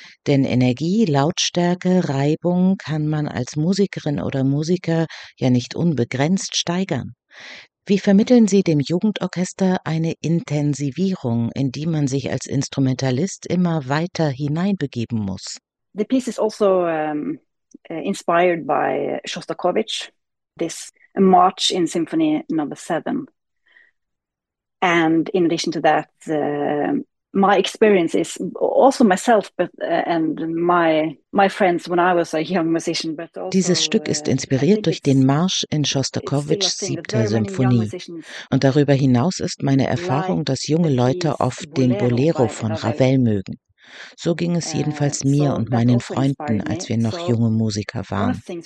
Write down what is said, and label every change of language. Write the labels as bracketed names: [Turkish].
[German] Denn Energie, Lautstärke, Reibung kann man als Musikerin oder Musiker ja nicht unbegrenzt steigern. Wie vermitteln Sie dem Jugendorchester eine Intensivierung, in die man sich als Instrumentalist immer weiter hineinbegeben muss? [English] The piece is also inspired by Shostakovich, this march in Symphony No. 7. And in addition to that, my experience is also myself, but and my friends when I was a young musician. But also, [German] dieses Stück ist inspiriert durch den Marsch in Shostakovichs 7. Symphonie. Und darüber hinaus ist meine Erfahrung, dass junge Leute oft den Bolero von Ravel mögen. So ging es jedenfalls mir und meinen Freunden, als wir noch junge Musiker waren.